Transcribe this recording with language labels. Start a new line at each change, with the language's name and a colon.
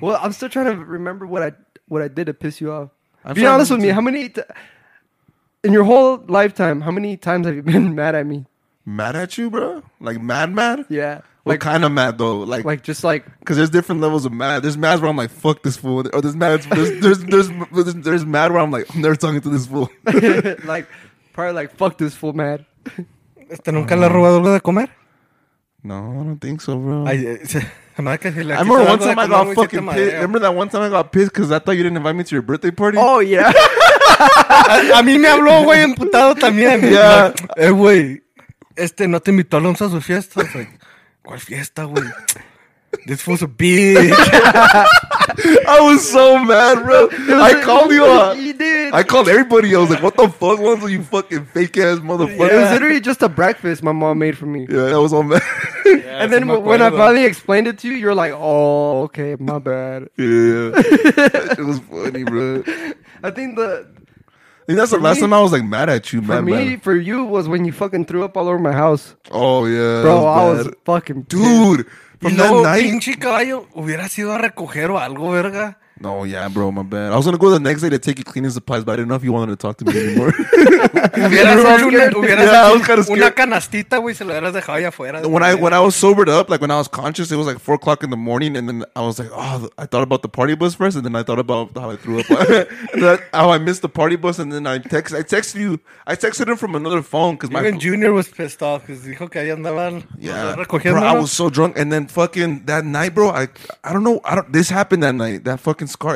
English: Well, I'm still trying to remember what I did to piss you off. I'm be honest with me, how many in your whole lifetime, how many times have you been mad at me? Mad at you, bro? Like mad? Yeah. What like, kind of mad though? Like, just like, because there's different levels of mad. There's mad where I'm like, fuck this fool. Or there's mad where I'm like, I'm never talking to this fool. Like, probably like, fuck this fool, mad.
Spanish: ¿Este nunca le ha robado algo de comer?
English: No, I don't think so, bro. I remember one time I got fucking pissed. Remember that one time I got pissed because I thought you didn't invite me to your birthday party? Oh, yeah.
Spanish: A mí me habló, güey, emputado también.
English: Yeah.
Spanish: Like, güey, no te invitó Alonso a su fiesta.
English: I was like,
Spanish: ¿cuál fiesta, güey?
English: This fool's a bitch. I was so mad, bro. I called you up. You did. I called everybody. I was like, what the fuck, Alonso, you fucking fake-ass motherfucker? Yeah. It was literally just a breakfast my mom made for me. Yeah, that was all mad. And then when I finally explained it to you, you're like, oh, okay, my bad. Yeah. It was funny, bro. I think the... I think that's for the last time I was like mad at you, man. For me, for you was when you fucking threw up all over my house. Oh yeah, bro, I was fucking dude. From you that know, night,
Spanish: caballo, hubiera sido a recoger o algo, verga.
English: No, yeah, bro, my bad. I was gonna go the next day to take your cleaning supplies, but I didn't know if you wanted to talk to me anymore.
Spanish: Una canastita, güey, se la hubieras dejado allá afuera.
English: When I was sobered up, like when I was conscious, it was like 4 o'clock in the morning, and then I was like, oh, I thought about the party bus first, and then I thought about how I threw up, how I missed the party bus, and then I texted him from another phone because even Junior was pissed off because
Spanish: dijo que ahí andaban.
English: Yeah, bro, I was so drunk, and then fucking that night, bro, I don't know, this happened that night, that fucking scar.